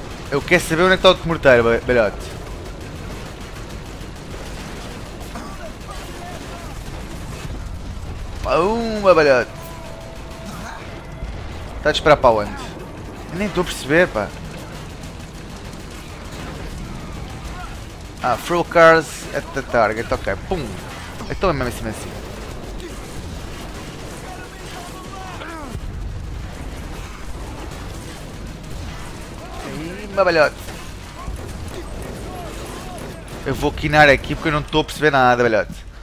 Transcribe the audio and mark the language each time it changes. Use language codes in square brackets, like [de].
[pt] Eu quero saber onde é que está o outro morteiro, belhote. Pumba, belhote. Está a disparar para onde? Eu nem estou a perceber, pá. [en] Ah, throw cars at the target, ok, pum. [pt] Estou mesmo em cima assim. Belhote. Eu vou quinar aqui porque eu não estou a perceber nada, belhote.